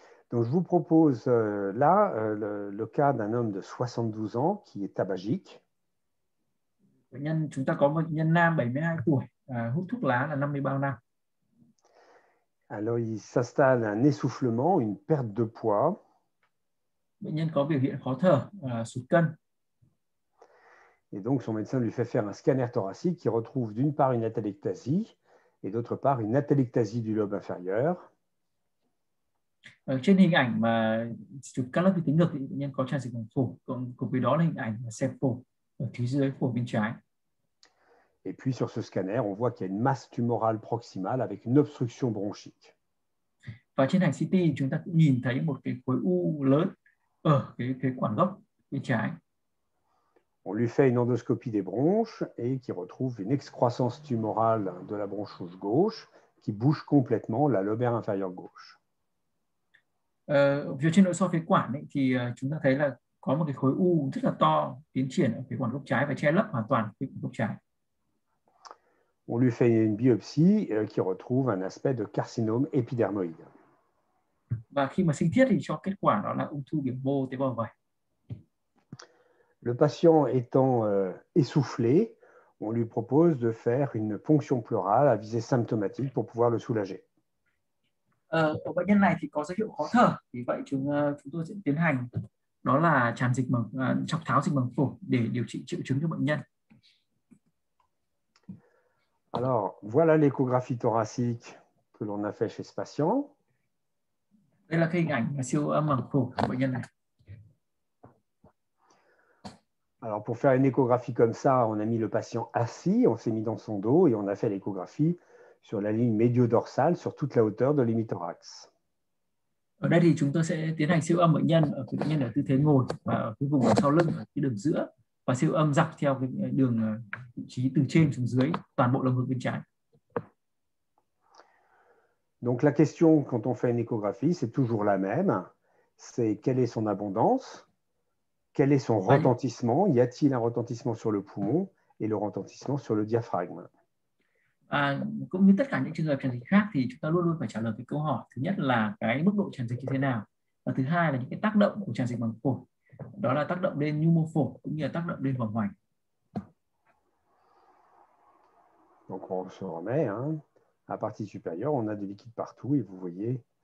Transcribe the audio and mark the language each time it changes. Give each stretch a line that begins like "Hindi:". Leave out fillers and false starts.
French: Donc, je vous propose là le cas d'un homme de 72 ans qui est tabagique.
Vietnamese: Bệnh nhân, chúng ta có một bệnh nhân nam 72 tuổi, hút thuốc lá là 53 năm.
French: Alors, il s'installe un essoufflement, une perte de poids.
Vietnamese: Bệnh nhân có biểu hiện khó thở, sụt cân.
French: Et donc, son médecin lui fait faire un scanner thoracique qui retrouve d'une part une atelectasie et d'autre part une atelectasie du lobe inférieur.
Vietnamese: Trên hình ảnh mà chụp cắt lớp vi tính ngực thì bệnh nhân có tràn dịch màng phổi, còn cùng với đó là hình ảnh xem phổi ở thứ dưới phổi bên trái.
French: Et puis sur ce scanner, on voit qu'il y a une masse tumorale proximale avec une obstruction bronchique.
Vietnamese: Và trên ảnh CT chúng ta cũng nhìn thấy một cái khối u lớn ở cái phế quản gốc bên trái.
French: On lui fait une endoscopie des bronches et qui retrouve une excroissance tumorale de la bronchouche gauche qui bouche complètement la lobaire inférieure gauche.
Vietnamese: Vừa trên nội soi phế quản ấy, thì chúng ta thấy là có một cái khối u rất là to tiến triển ở phế quản gốc trái và che lấp hoàn toàn phế quản gốc trái.
French: On lui fait une biopsie qui retrouve un aspect de carcinome épidermoïde.
Vietnamese: Và khi mà sinh thiết thì cho kết quả đó là ung thư biểu mô tế bào vẩy.
French: Le patient étant essoufflé, on lui propose de faire une ponction pleurale à visée symptomatique pour pouvoir le soulager.
Vietnamese: Ở bệnh nhân này thì có dấu hiệu khó thở, vì vậy chúng tôi sẽ tiến hành đó là tràn dịch màng chọc tháo dịch màng phổi để điều trị triệu chứng cho bệnh nhân.
French: Alors, voilà l'échographie thoracique que l'on a fait chez ce patient.
Vietnamese: Đây là cái hình ảnh siêu âm màng phổi của bệnh nhân này.
French: Alors, pour faire une échographie comme ça, on a mis le patient assis, on s'est mis dans son dos et on a fait l'échographie sur la ligne médio-dorsale, sur toute la hauteur de l'hémithorax.
Vietnamese: Ở đây thì chúng tôi sẽ tiến hành siêu âm bệnh nhân ở tư thế ngồi và ở cái vùng sau lưng, ở cái đường giữa, và siêu âm dọc theo cái đường vị trí từ trên xuống dưới, toàn bộ lồng ngực bên trái.
French: Donc la question quand on fait une échographie, c'est toujours la même, c'est quelle est son abondance, quel est son retentissement, y a-t-il un retentissement sur le poumon et le retentissement sur le diaphragme?
Vietnamese: Cũng như tất cả những trường hợp tràn dịch khác thì chúng ta luôn luôn phải trả lời cái câu hỏi thứ nhất là cái mức độ tràn dịch như thế nào, và thứ hai là những cái tác động của tràn dịch màng phổi, đó là tác động lên nhu mô phổi cũng như là tác động lên vòng ngoài.
French: Donc on se remet, hein. À partie supérieure, on a du liquide partout et vous voyez.